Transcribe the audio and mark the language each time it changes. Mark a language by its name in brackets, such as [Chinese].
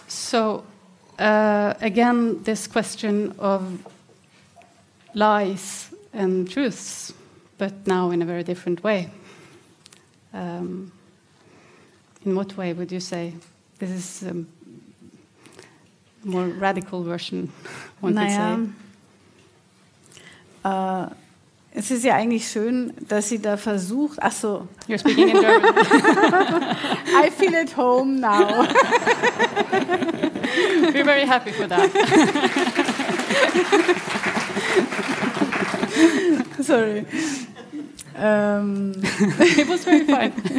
[English] So, again, this question of lies and truths, but now in a very different way. In what way would you say this is a more radical version, one could say? [German] Es ist ja eigentlich schön, dass sie da versucht. Ach so. [English] You're speaking in German. I feel at home now. We're very happy for that. Sorry. It was very fine.